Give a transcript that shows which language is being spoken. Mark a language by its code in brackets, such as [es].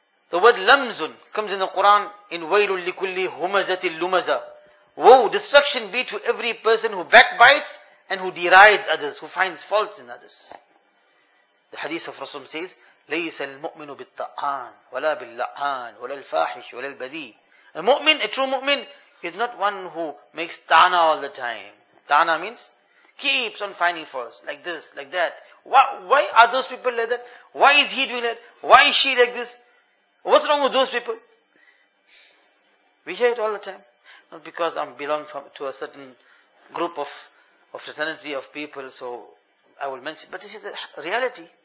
[en] The word lamzun comes in the Quran in [ar] wailul likulli humazatil lumaza. [en] Woe, destruction be to every person who backbites and who derides others, who finds faults in others. The hadith of Rasulullah says, [ar] لَيْسَ الْمُؤْمِنُ بِالطَّعَانِ وَلَا بِاللَّعَانِ وَلَا الْفَاحِشِ وَلَا الْبَذِيِّ. [en] A mu'min, a true mu'min, is not one who makes ta'ana all the time. Ta'ana means, keeps on finding faults, like this, like that. Why are those people like that? Why is he doing that? Why is she like this? What's wrong with those people? We hear it all the time. Not because I'm belong from, to a certain group of fraternity of people, so I will mention, but this is the reality.